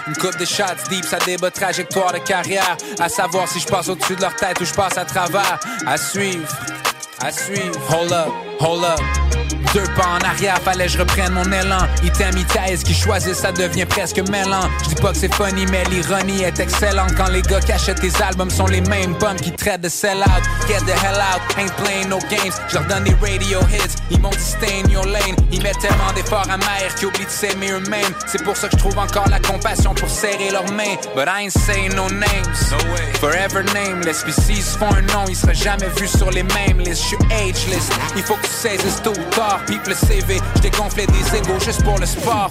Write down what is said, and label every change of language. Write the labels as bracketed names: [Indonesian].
[French] Une coupe de shots deep, ça débat trajectoire de carrière. À savoir si je passe au-dessus de leur tête ou je passe à travers. À suivre, [English] hold up, hold up. [French] Deux pas en arrière, fallait je reprenne mon élan. Item, item, ce qu'ils choisissent, ça devient presque mêlant. Je dis pas que c'est funny, mais l'ironie est excellente. Quand les gars qui achètent tes albums sont les mêmes bums qui traitent de sell-out. [English] Get the hell out, ain't playing no games. [French] Je leur donne des radio hits, ils m'ont dit [English] stay in your lane. [French] Ils mettent tellement d'efforts amers qu'ils oublient de s'aimer eux-mêmes. C'est pour ça que je trouve encore la compassion pour serrer leurs mains. [English] But I ain't saying no names, no way. Forever nameless, [French] puis s'ils se font un nom, ils seraient jamais vus sur les mêmes listes. Je suis ageless, il faut que tu saisisses tôt ou tard. Pipe le CV, j't'ai gonflé des égos juste pour le sport.